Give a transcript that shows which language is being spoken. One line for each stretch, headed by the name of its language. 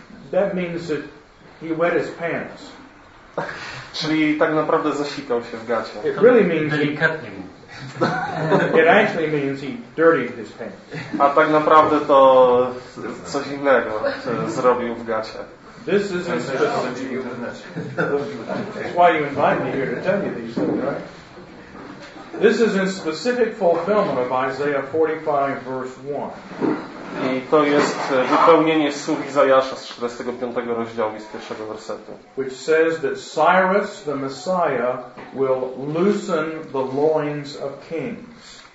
English: That means that he wet his pants.
Polish: Czyli tak naprawdę zasikał się w gacie.
English: It really means
Polish: delikatnie.
English: It actually means he dirtied his pants.
Polish: A tak naprawdę to coś innego zrobił w gacie.
English: This is a specific. That's why you invite me here to tell you these things, right? This is in specific fulfillment of Isaiah 45 verse 1.
Polish: I to jest wypełnienie słów Izajasza z 45 rozdziału i z 1 wersetu.
English: Which says that Cyrus the Messiah will loosen the loins of kings.